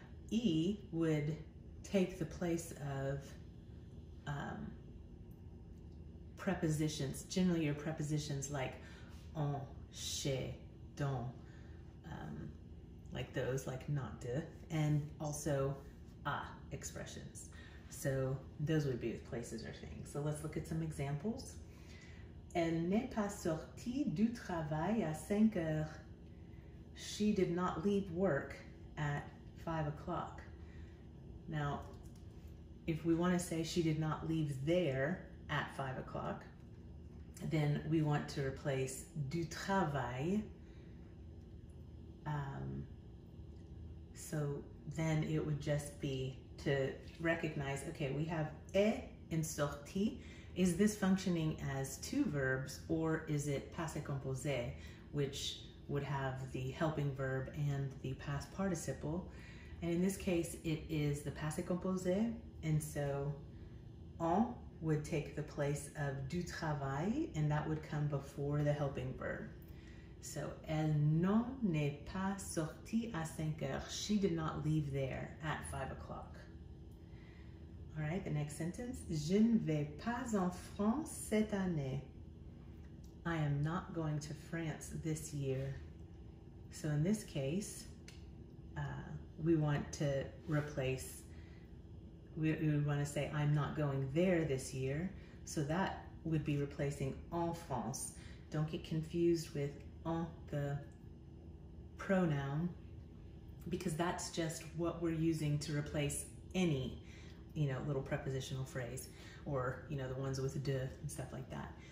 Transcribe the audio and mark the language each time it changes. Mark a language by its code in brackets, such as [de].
[en] E would take the place of prepositions, generally your prepositions like en, chez, dans, like those, like not de, and also a expressions. So those would be with places or things. So let's look at some examples. [fr] Elle n'est pas sortie du travail à 5 heures. [en] She did not leave work at 5 o'clock. Now, if we want to say she did not leave there at 5 o'clock, then we want to replace du travail. So then it would just be to recognize, okay, we have est in sortie. Is this functioning as two verbs, or is it passé composé, which would have the helping verb and the past participle? And in this case, it is the passé composé, and so en would take the place of du travail, and that would come before the helping verb. [fr] So elle non n'est pas sortie à 5 heures. [en] She did not leave there at 5 o'clock. All right, the next sentence. [fr] Je ne vais pas en France cette année. [en] I am not going to France this year. So in this case, we want to replace, we want to say I'm not going there this year. So that would be replacing en France. Don't get confused with en, the pronoun, because that's just what we're using to replace any, you know, little prepositional phrase, or, you know, the ones with de and stuff like that.